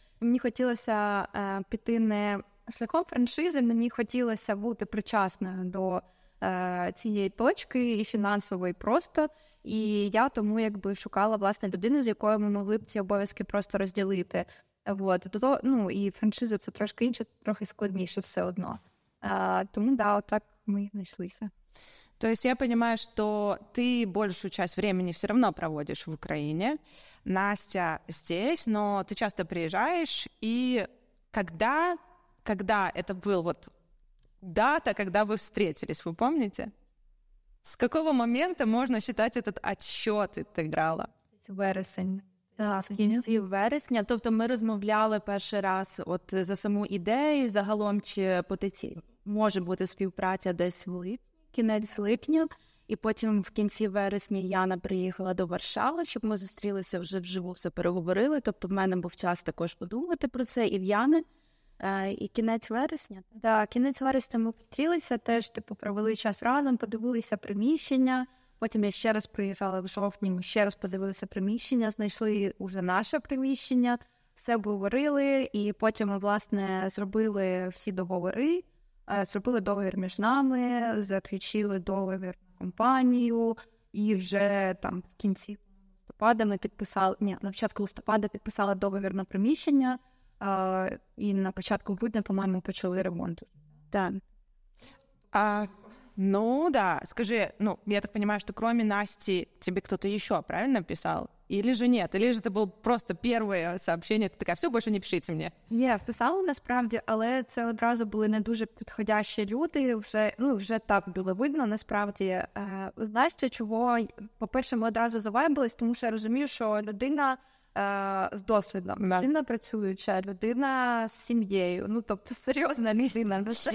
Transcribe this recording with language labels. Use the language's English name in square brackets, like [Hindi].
[Ukrainian] Мені хотілося піти не шляхом франшизи, мені хотілося бути причасною до цієї точки і фінансово, і просто. І я тому якби шукала, власне, людину, з якою ми могли б ці обов'язки просто розділити. От. Ну, і франшиза – це трошки інше, трохи складніше все одно. Тому, да, отак ми і знайшлися. [Russian] То есть я понимаю, что ты большую часть времени все равно проводишь в Украине, Настя здесь, но ты часто приезжаешь, и когда это был вот дата, когда вы встретились, вы помните? С какого момента можно считать этот отсчет отыграла? [Ukrainian] В вересня, тобто ми розмовляли перший раз от за саму ідею, загалом чи потенціал. Може бути співпраця десь в липні, кінець липня, і потім в кінці вересня Яна приїхала до Варшави, щоб ми зустрілися вже вживу, все переговорили, тобто в мене був час також подумати про це, і в Яни, і кінець вересня. Так, да, кінець вересня ми зустрілися, теж, типу, провели час разом, подивилися приміщення, потім я ще раз приїхала в жовтні, ми ще раз подивилися приміщення, знайшли уже наше приміщення, все обговорили, і потім ми, власне, зробили всі договори, зробили договір між нами, заключили договір на компанію, і вже там в кінці листопада ми підписали, ні, на початку листопада підписали договір на приміщення, і на початку грудня, по-моєму, почали ремонт. Так. А, ну, да, скажи, ну, я так розумію, що крім Насті тебе хтось ще, правильно, писав? [Russian] Или же нет? Или же это было просто первое сообщение? Ты такая, все, больше не пишите мне. [Ukrainian] Ні, писала насправді, але це одразу були не дуже підходящі люди. Вже, ну, вже так було видно насправді. Знаєш, чого? По-перше, ми одразу завайбились, тому що я розумію, що людина з досвідом, да. Людина працююча, людина з сім'єю. Ну, тобто, серйозна людина.